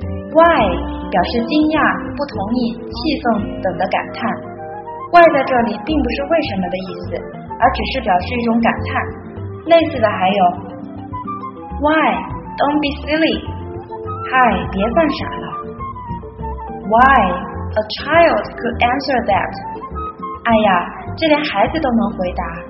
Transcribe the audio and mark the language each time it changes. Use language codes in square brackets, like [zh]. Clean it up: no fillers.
[zh] Why, 表示惊讶、不同意、气愤等的感叹。 Why 在这里并不是为什么的意思，而只是表示一种感叹。类似的还有 [en] Why, don't be silly. [zh] Hi, 别犯傻了。 [en] Why, a child could answer that. [zh] 哎呀，这连孩子都能回答。